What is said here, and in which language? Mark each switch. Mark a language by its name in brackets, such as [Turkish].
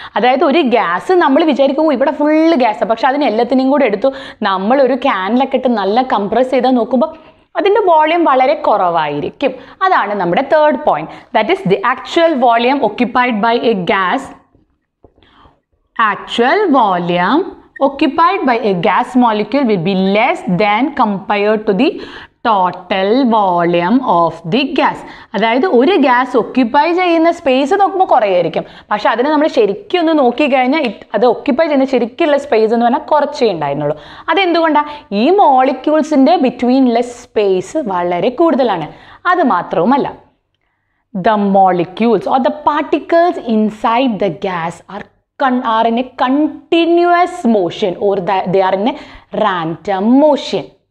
[Malayalam] അതായത് ഒരു ഗ്യാസ് നമ്മൾ വിചാരിക്കും ഇവിടെ ഫുള്ള് ഗ്യാസ്, പക്ഷെ അതിന് എല്ലാത്തിനെയും കൂടെ എടുത്തു നമ്മളൊരു ക്യാനിലൊക്കെ ഇട്ട് നല്ല കംപ്രസ് ചെയ്താൽ നോക്കുമ്പോൾ അതിൻ്റെ വോളിയം വളരെ കുറവായിരിക്കും. അതാണ് നമ്മുടെ [English] Third point, that is the actual volume occupied by a gas. Actual volume occupied by a gas molecule will be less than compared to the total volume of the gas. [Malayalam] അതായത് ഒരു gas occupy ചെയ്യുന്ന space നോക്കുമ്പോൾ കുറേയായിരിക്കും, പക്ഷെ അതിനെ നമ്മൾ ശരിക്കും ഒന്ന് നോക്കിക്കഴിഞ്ഞാൽ അത് ഒക്യുപ്പൈ ചെയ്യുന്ന ശരിക്കുള്ള സ്പേസ് എന്ന് പറഞ്ഞാൽ കുറച്ചേ ഉണ്ടായിരുന്നുള്ളൂ. അതെന്തുകൊണ്ടാണ്? ഈ മോളിക്യൂൾസിൻ്റെ ബിറ്റ്വീനുള്ള സ്പേസ് വളരെ കൂടുതലാണ്. അത് മാത്രവുമല്ല, [English] The molecules or the particles inside the gas are in a continuous motion or they are in a random motion.